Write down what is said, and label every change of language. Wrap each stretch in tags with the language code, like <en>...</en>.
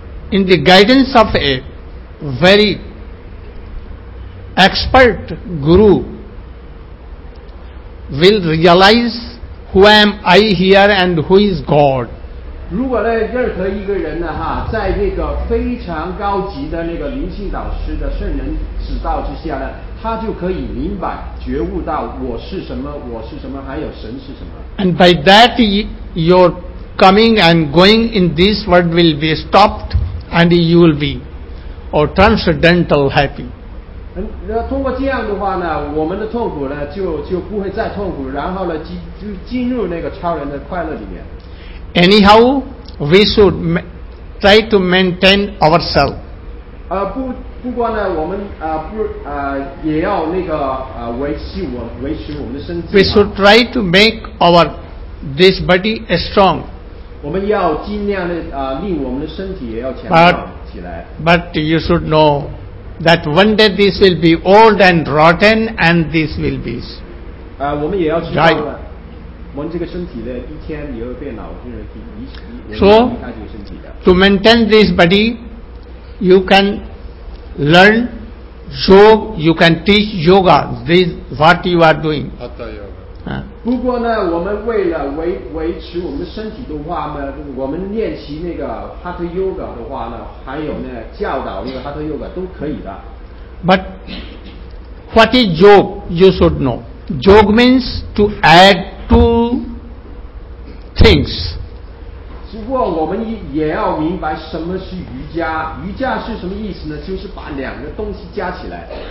<en>Those in the guidance of a very expert guru will realize who am I here and who is God.</en> <zh>如果呢任何一个人呢哈，在那个非常高级的那个灵性导师的圣人指导之下呢，他就可以明白觉悟到我是什么，我是什么，还有神是什么。</zh> <en>And by that, your coming and going in this world will be stopped, and you will be. Or transcendental happy.</en> <zh>通过这样的话呢，我们的痛苦呢就不会再痛苦，然后呢就进入那个超人的快乐里面。</zh> <en>Anyhow, we should try to maintain ourselves.</en> <zh>不光呢，我们也要那个维持我们的身体。</zh> <en>We should try to make our this body strong.</en> <zh>我们要尽量的令我们的身体也要强壮。</zh> <en>But you should know that one day this will be old and rotten, and this will be.</en> <zh>我们也要知道了，我们这个身体的一天也会变老，就是</zh> <en>So, to maintain this body, you can learn yoga. You can teach yoga. This what you are doing. Hatha yoga.</en> <zh>不过呢，我们为了维持我们身体的话呢，我们练习那个 Hatha Yoga 的话呢，还有呢教导那个 Hatha Yoga 都可以的。</zh> <en>But what is yoga? You should know. Yoga means to add two things.</en> <zh>不过我们也要明白什么是瑜伽。瑜伽是什么意思呢？就是把两个东西加起来。</zh>